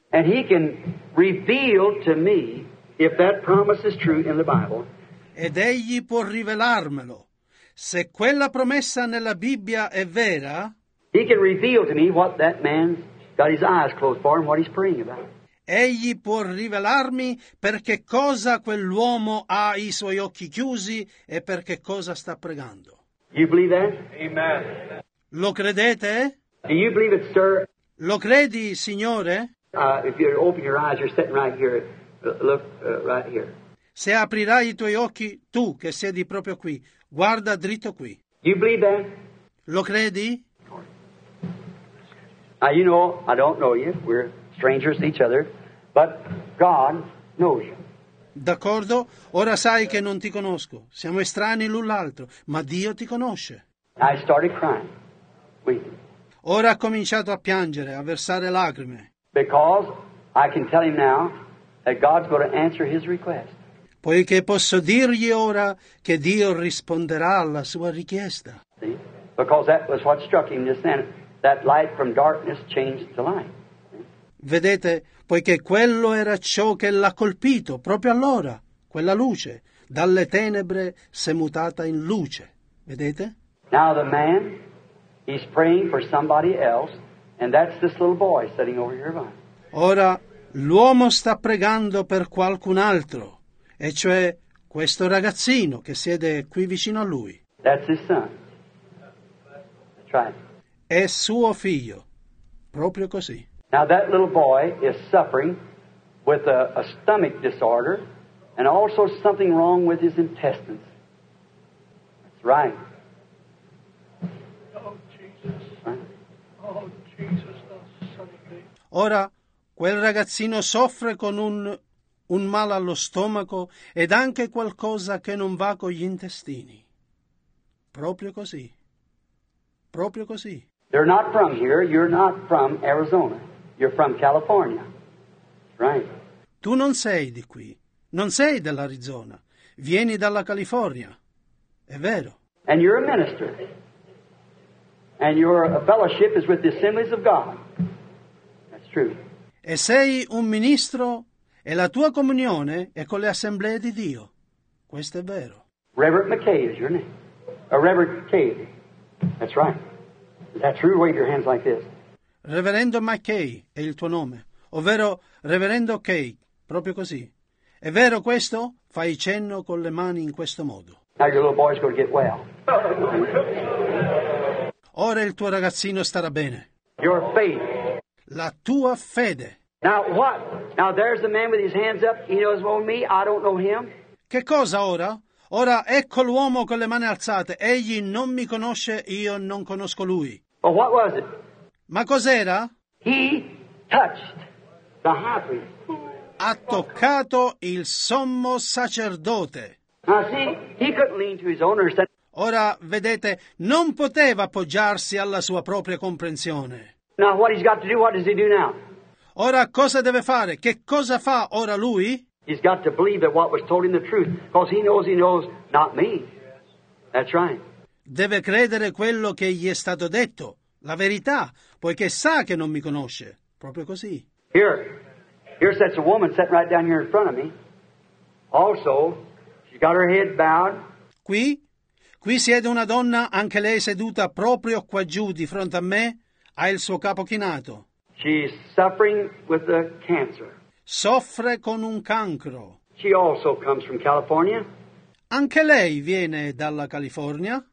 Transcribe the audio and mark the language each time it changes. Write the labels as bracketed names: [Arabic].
[English] And he can reveal to me if that promise is true in the Bible. [Italian] Ed egli può rivelarmelo. Se quella promessa nella Bibbia è vera, [English] he can reveal to me what that man's got his eyes closed for and what he's praying about. [Italian] Egli può rivelarmi per che cosa quell'uomo ha i suoi occhi chiusi e per che cosa sta pregando. [English] You believe that? Amen. [Italian] Lo credete? [English] Do you believe it, sir? [Italian] Lo credi, signore? [English] If you open your eyes, you're sitting right here. Look right here. [Italian] Se aprirai i tuoi occhi, tu che siedi proprio qui, guarda dritto qui. [English] You believe that? [Italian] Lo credi? [English] You know, I don't know you. We're strangers to each other, but God knows you. [Italian] D'accordo. Ora sai che non ti conosco. Siamo estranei l'un l'altro, ma Dio ti conosce. [English] I started crying. Weeping. [Italian] Ora ha cominciato a piangere, a versare lacrime. [English] Because I can tell him now that God's going to answer his request. [Italian] Poiché posso dirgli ora che Dio risponderà alla sua richiesta. [English] Because that was what struck him just then. That light from darkness changed to light. [Italian] Vedete, poiché quello era ciò che l'ha colpito proprio allora, quella luce, dalle tenebre s'è mutata in luce. Vedete? [English] Now the man, he's praying for somebody else, and that's this little boy sitting over here by. [Italian] Ora, l'uomo sta pregando per qualcun altro, e cioè questo ragazzino che siede qui vicino a lui. [English] That's his son. That's right. [Italian] È suo figlio. Proprio così. [English] Now that little boy is suffering with a stomach disorder and also something wrong with his intestines. That's right. Oh, Jesus. Right? Oh, Jesus, oh, [Italian] ora, quel ragazzino soffre con un male allo stomaco ed anche qualcosa che non va con gli intestini. Proprio così. Proprio così. [English] They're not from here, you're not from Arizona. You're from California, right? [Italian] Tu non sei di qui, non sei dell'Arizona, vieni dalla California, è vero. [English] And you're a minister, and your fellowship is with the Assemblies of God, that's true. [Italian] E sei un ministro, e la tua comunione è con le Assemblee di Dio, questo è vero. [English] Reverend McKay is your name, Reverend McKay, that's right. Is that true? Wave your hands like this. [Italian] Reverendo McKay è il tuo nome, ovvero Reverendo Kay, proprio così. È vero questo? Fai cenno con le mani in questo modo. [English] Now your little boy's gonna get well. [Italian] Ora il tuo ragazzino starà bene. [English] Your faith. [Italian] La tua fede. [English] Now what? Now there's the man with his hands up. He knows more than me. I don't know him. [Italian] Che cosa ora? Ora ecco l'uomo con le mani alzate. Egli non mi conosce, io non conosco lui. [English] But what was it? [Italian] Ma cos'era? [English] He touched the high priest. [Italian] Ha toccato il sommo sacerdote. [English] See, he couldn't lean to his own understanding. [Italian] Ora, vedete, non poteva appoggiarsi alla sua propria comprensione. [English] Now what he's got to do, what does he do now? [Italian] Ora cosa deve fare? Che cosa fa ora lui? [English] He's got to believe that what was told him the truth, because he knows not me. That's right. [Italian] Deve credere quello che gli è stato detto. La verità, poiché sa che non mi conosce. Proprio così. [English] Here sits a woman sitting right down here in front of me. Also, she's got her head bowed. [Italian] Qui, Qui siede una donna, anche lei seduta proprio qua giù di fronte a me, ha il suo capo chinato. [English] She's suffering with a cancer. [Italian] Soffre con un cancro. [English] She also comes from California. [Italian] Anche lei viene dalla California.